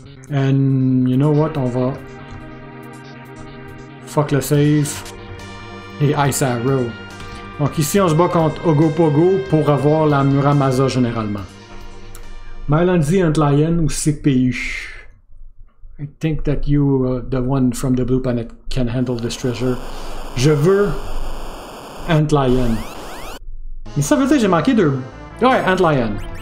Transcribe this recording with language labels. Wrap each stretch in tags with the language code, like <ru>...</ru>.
<en>And you know what,</en> <fr>on va... Fuck le save. Et Ice Arrow. Donc ici, on se bat contre Ogopogo pour avoir la Muramasa généralement. Mylandy and Lion ou CPU.</fr> <en>I think that you, the one from the Blue Planet, can handle this treasure.</en> <fr>Je veux Antlion. Mais ça veut dire que j'ai manqué deux... Ouais, Antlion.</fr>